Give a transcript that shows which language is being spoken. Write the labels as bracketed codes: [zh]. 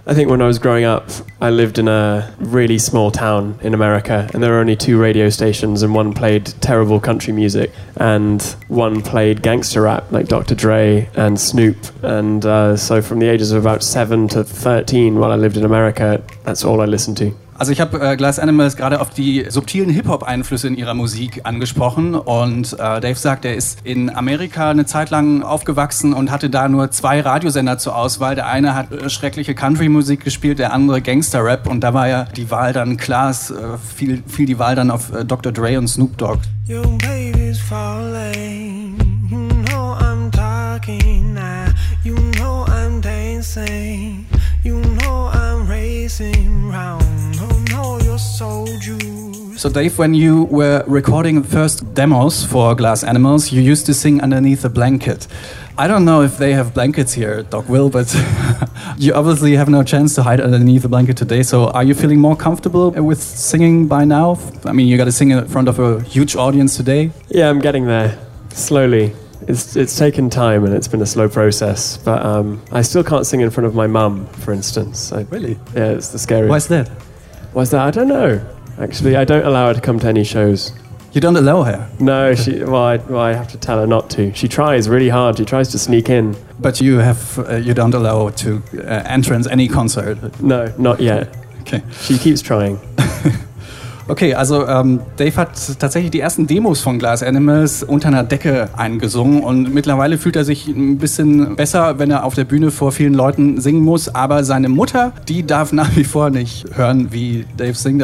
[en] I think when I was growing up, I lived in a really small town in America, and there were only two radio stations, and one played terrible country music, and one played gangster rap, like Dr. Dre and Snoop. And so from the ages of about 7 to 13, while I lived in America, that's all I listened to. [de] Also ich habe Glass Animals gerade auf die subtilen Hip-Hop-Einflüsse in ihrer Musik angesprochen und Dave sagt, er ist in Amerika eine Zeit lang aufgewachsen und hatte da nur zwei Radiosender zur Auswahl. Der eine hat schreckliche Country-Musik gespielt, der andere Gangster-Rap und da war ja die Wahl dann klar, fiel die Wahl dann auf Dr. Dre und Snoop Dogg. [en] Your baby's falling, you know I'm talking now, you know I'm dancing. You know I'm racing round, oh no, you're so juice. So Dave, when you were recording the first demos for Glass Animals, you used to sing underneath a blanket. I don't know if they have blankets here, Doc Will, but you obviously have no chance to hide underneath a blanket today. So are you feeling more comfortable with singing by now? I mean, you got to sing in front of a huge audience today. Yeah, I'm getting there, slowly. It's taken time and it's been a slow process, but I still can't sing in front of my mum, for instance. Really? Yeah, it's the scariest. Why is that? I don't know. Actually, I don't allow her to come to any shows. You don't allow her? No, I have to tell her not to. She tries really hard. She tries to sneak in. But you have you don't allow her to entrance any concert? No, not yet. Okay. She keeps trying. [de] Okay, also Dave hat tatsächlich die ersten Demos von Glass Animals unter einer Decke eingesungen und mittlerweile fühlt er sich ein bisschen besser, wenn er auf der Bühne vor vielen Leuten singen muss. Aber seine Mutter, die darf nach wie vor nicht hören, wie Dave singt.